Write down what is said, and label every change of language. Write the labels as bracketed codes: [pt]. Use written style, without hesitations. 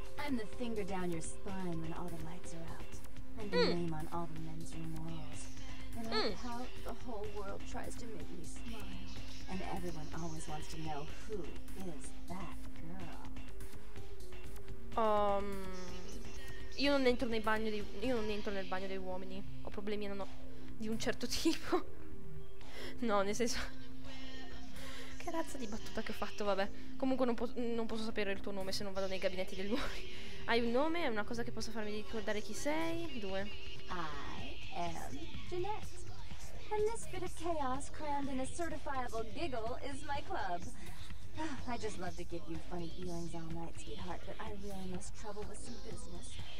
[en] I'm the finger down your spine when all the lights are out. And the name on all the men's room walls. And I pout, the whole world tries to make me smile. And everyone always wants to know who is that girl. [it] Io non entro nei bagno di. Io non entro nel bagno dei uomini. Ho problemi non ho, di un certo tipo. No, nel senso. Che razza di battuta che ho fatto, vabbè. Comunque non posso sapere il tuo nome se non vado nei gabinetti degli uomini. Hai un nome? È una cosa che possa farmi ricordare chi sei? Due. [en] I am Jeanette. And this bit of chaos crammed in a certifiable giggle is my club. I just love to give you funny feelings all night, sweetheart, but I really must trouble with some business.